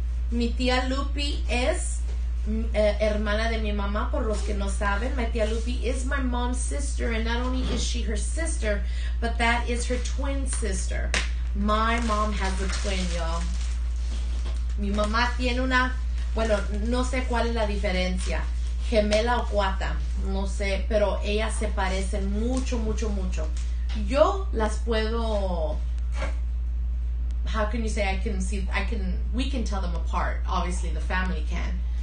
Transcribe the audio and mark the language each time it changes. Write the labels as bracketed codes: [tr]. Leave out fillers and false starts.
[es] Mi tía Lupi es hermana de mi mamá, por los que no saben. [en] My tía Lupi is my mom's sister, and not only is she her sister, but that is her twin sister. My mom has a twin, y'all. [es] Mi mamá tiene una... Bueno, no sé cuál es la diferencia. gemela o cuata, no sé, pero ellas se parecen mucho, mucho, mucho. Yo las puedo, [en] how can you say, I can see, I can, we can tell them apart, obviously the family can.